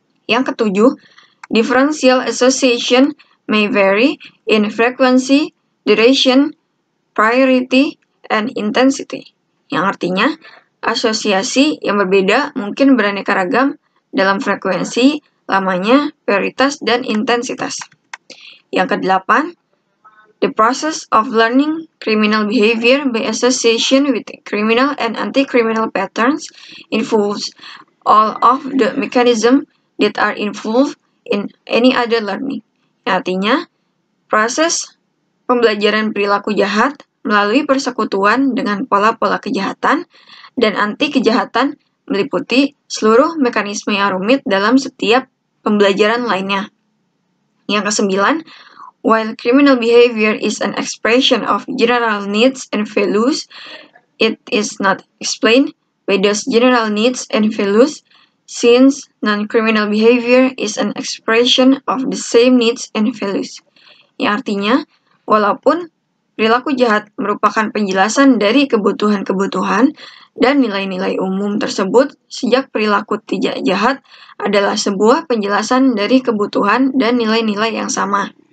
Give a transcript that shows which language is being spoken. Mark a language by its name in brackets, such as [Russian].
[Indonesian] Yang ketujuh, [English] differential association may vary in frequency, duration, priority, and intensity. [Indonesian] Yang artinya, asosiasi yang berbeda mungkin beraneka ragam dalam frekuensi, lamanya, prioritas, dan intensitas. Yang kedelapan, [English] the process of learning criminal behavior by association with criminal and anti-criminal patterns involves all of the mechanisms that are involved in any other learning. [Indonesian] Artinya, proses pembelajaran perilaku jahat melalui persekutuan dengan pola-pola kejahatan dan anti-kejahatan meliputi seluruh mekanisme yang rumit dalam setiap pembelajaran lainnya. Yang kesembilan, [English] while criminal behavior is an expression of general needs and values, it is not explained by those general needs and values since non-criminal behavior is an expression of the same needs and values. [Indonesian] Yang artinya, walaupun perilaku jahat merupakan penjelasan dari kebutuhan-kebutuhan dan nilai-nilai umum tersebut, sejak perilaku tidak jahat adalah sebuah penjelasan dari kebutuhan dan nilai-nilai yang sama.